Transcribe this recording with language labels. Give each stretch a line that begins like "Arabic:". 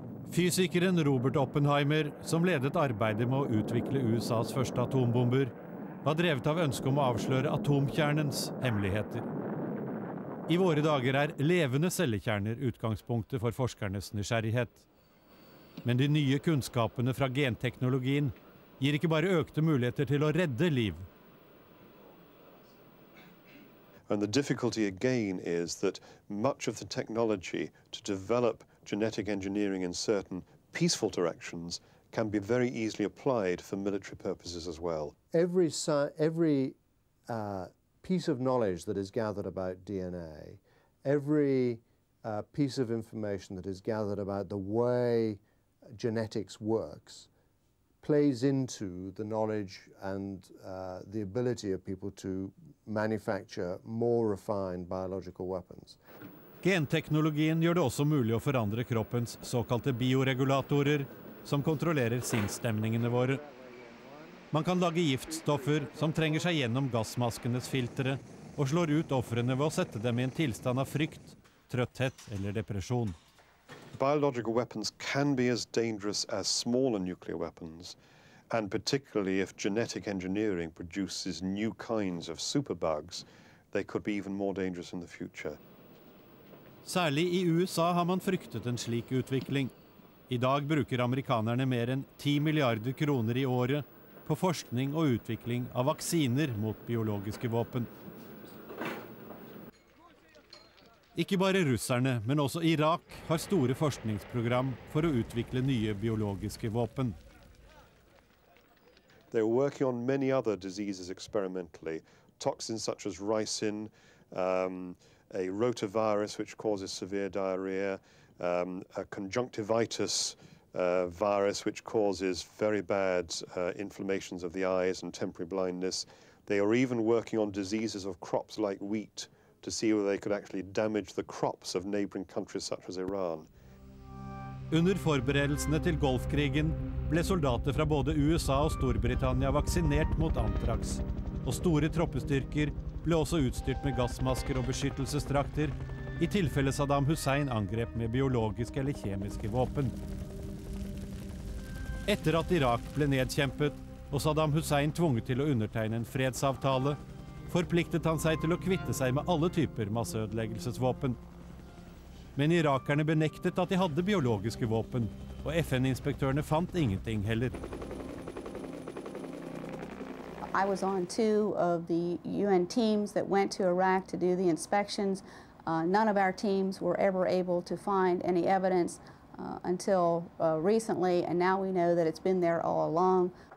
Norwegian: Fysikeren Robert Oppenheimer, som ledet arbeidet med å utvikle USAs første atombomber, var drevet av ønske om å avsløre atomkjernens hemmeligheter. I våre dager levende cellekjerner utgangspunktet for forskernes nysgjerrighet. Men de nye kunnskapene fra genteknologien gir ikke bare økte muligheter til å redde liv.
English: And the difficulty again is that much of the technology to develop genetic engineering in certain peaceful directions can be very easily applied for military purposes as well. Every piece of knowledge that is gathered about DNA, every piece of information that is gathered about the way genetics works, plays into the knowledge and the ability of people to manufacture more refined biological weapons.
Norwegian: Genteknologien gjør det også mulig å forandre kroppens såkalte bioregulatorer, som kontrollerer sinnsstemningene våre. Man kan lage giftstoffer som trenger seg gjennom gassmaskenes filtre og slår ut offrene ved å sette dem i en tilstand av frykt, trøtthet eller depresjon.
English: Biological weapons can be as dangerous as smaller nuclear weapons, and particularly if genetic engineering produces new kinds of superbugs, they could be even more dangerous in the future.
Norwegian: Særlig i USA har man fryktet en slik utvikling. I dag bruker amerikanerne mer enn 10 milliarder kroner i året på forskning og utvikling av vaksiner mot biologiske våpen. Ikke bare russerne, men også Irak har store forskningsprogram for å utvikle nye biologiske våpen.
English: They are working on many other diseases experimentally, toxins such as ricin, a rotavirus which causes severe diarrhea, a conjunctivitis virus which causes very bad inflammations of the eyes and temporary blindness. They are even working on diseases of crops like wheat to see whether they could actually damage the crops of neighboring countries such as Iran.
Norwegian: Under forberedelsene til Golfkrigen ble soldater fra både USA og Storbritannia vaksinert mot antrax, og store troppestyrker ble også utstyrt med gassmasker og beskyttelsesdrakter i tilfelle Saddam Hussein angrep med biologiske eller kjemiske våpen. Etter at Irak ble nedkjempet og Saddam Hussein tvunget til å undertegne en fredsavtale, forpliktet han seg til å kvitte seg med alle typer masseødeleggelsesvåpen. Men irakerne benektet at de hadde biologiske våpen, og FN-inspektørene fant ingenting heller.
English: I was on two of the UN teams that went to Iraq to do the inspections. None of our teams were ever able to find any evidence until recently, and now we know that it's been there all along.